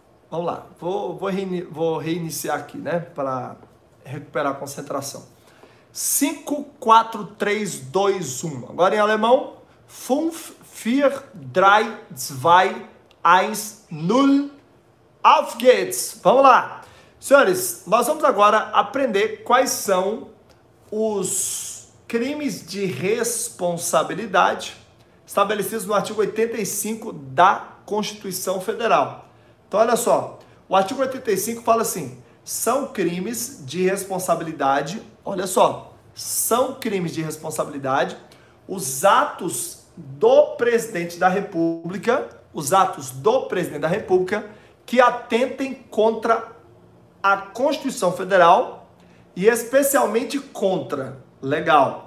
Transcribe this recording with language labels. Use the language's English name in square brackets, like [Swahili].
[Portuguese] Vamos lá. Vou reiniciar aqui, né? Para recuperar a concentração. 5, 4, 3, 2, 1. Agora em alemão. [German] Fünf, vier, drei, zwei, eins, null, auf geht's! [Portuguese] Vamos lá! Senhores, nós vamos agora aprender quais são os crimes de responsabilidade estabelecidos no artigo 85 da Constituição Federal. Então, olha só, o artigo 85 fala assim, são crimes de responsabilidade, olha só, são crimes de responsabilidade, os atos do presidente da República, os atos do presidente da República que atentem contra a Constituição Federal e especialmente contra, legal.